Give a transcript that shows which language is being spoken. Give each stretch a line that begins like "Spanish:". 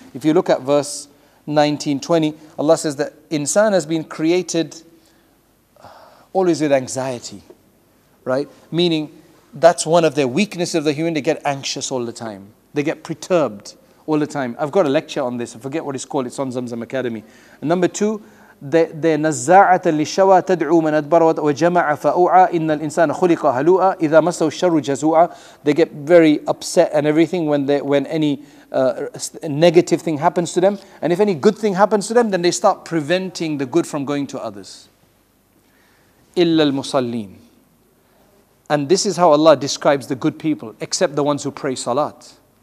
English: If you look at verse 19:20, Allah says that insan has been created always with anxiety, right? Meaning that's one of their weaknesses of the human. They get anxious all the time. They get perturbed all the time. I've got a lecture on this. I forget what it's called. It's on Zamzam Academy. And number two, the
Arabic: نزاعه للشوى تدعو من ادبر وجمع فاوعى ان الانسان خلق هلوعا اذا مسه الشر جزوعا.
English: They get very upset and everything when any negative thing happens to them, and if any good thing happens to them, then they start preventing the good from going to others.
Arabic: إلا المصلين.
English: And this is how Allah describes the good people, except the ones who pray salat.